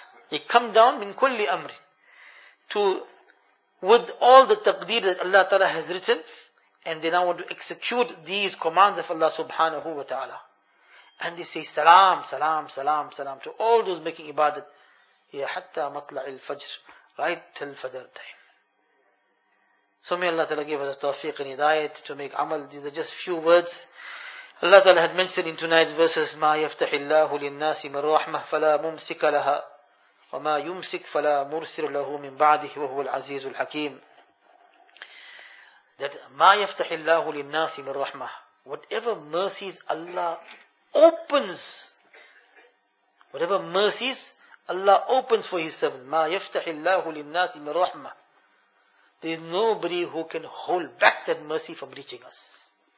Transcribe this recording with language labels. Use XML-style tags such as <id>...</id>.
<en>He come down min kulli amri. To, with all the taqdeer that Allah Ta'ala has written, and they now want to execute these commands of Allah subhanahu wa ta'ala. And they say salam, salam, salam, salam to all those making ibadat. Ya hatta matla' al-fajr, right till fajr time. So may Allah Ta'ala give us a tawfiq and hidayat to make amal. These are just few words. Allah Ta'ala had mentioned in tonight's verses,</en> <ar>ما يفتح الله للناس من رحمة فلا ممسك لها وما يمسك فلا مرسل له من بعده وهو العزيز الحكيم.</ar> <en>That</en> <ar>ما يفتح الله للناس من رحمة,</ar> <en>whatever mercies Allah opens, whatever mercies Allah opens for His servant, ما يفتح الله للناس من رحمة, there is nobody who can hold back that mercy from reaching us.</en>